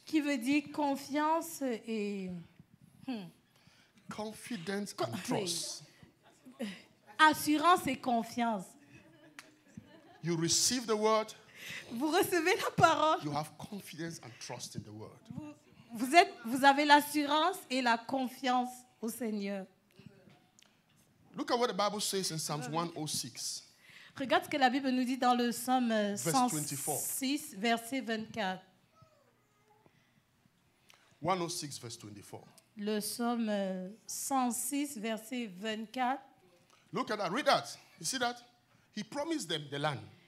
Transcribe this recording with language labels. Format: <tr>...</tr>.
<fr>Qui veut dire confiance et...</fr> <en>Confidence and trust.</en> <fr>Assurance et confiance.</fr> <en>You receive the word.</en> <fr>Vous recevez la parole.</fr> <en>You have confidence and trust in the word.</en> <fr>Vous avez l'assurance et la confiance au Seigneur.</fr> <en>Look at what the Bible says in Psalms 106.</en> <fr>Regarde ce que la Bible nous dit dans le psaume 106, verset 24.</fr> <en>106, verse 24.</en> <fr>Le psaume 106, verset 24.</fr> <en>Look at that. Read that. You see that? He promised them the land.</en>